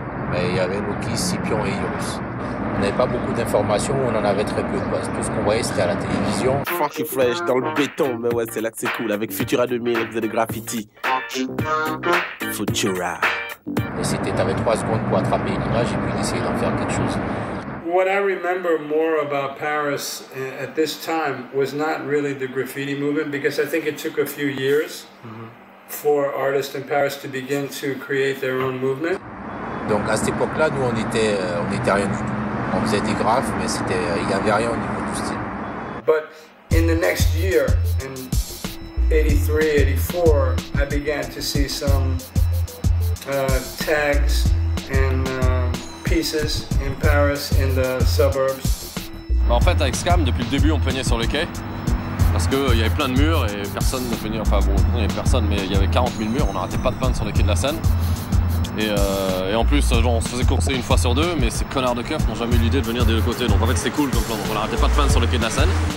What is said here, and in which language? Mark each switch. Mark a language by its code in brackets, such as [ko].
[fr] Mais il y avait Lukis, Sipion et Iris. On n'avait pas beaucoup d'informations, on en avait très peu. Quoi. Tout ce qu'on voyait, c'était à la télévision. Funky Flash dans le béton, mais ouais, c'est là que c'est cool. Avec Futura 2000, avec de graffiti. Futura. Et c'était, t'avais 3 secondes pour attraper une image et puis d'essayer d'en faire quelque chose. [en] What I remember more about Paris at this time was not really the graffiti movement, because I think it took a few years for artists in Paris to begin to create their own movement. [fr] Donc à cette époque-là, nous, on était rien du tout. On faisait des graphes, mais c'était, il n'y avait rien au niveau du style. [en] But in the next year, in 83, 84, I began to see some tags and pieces in Paris, in the suburbs. [fr] En fait, avec Scam, depuis le début, on peignait sur les quais. Parce qu'il y avait plein de murs et personne ne peignait. Enfin bon, il n'y avait personne, mais il y avait 40 000 murs. On n'arrêtait pas de peindre sur les quais de la Seine. Et en plus, genre, on se faisait courser une fois sur deux, mais ces connards de keufs n'ont jamais eu l'idée de venir des deux côtés. Donc en fait, c'est cool comme plan. On n'arrêtait pas de peindre sur le quai de la Seine.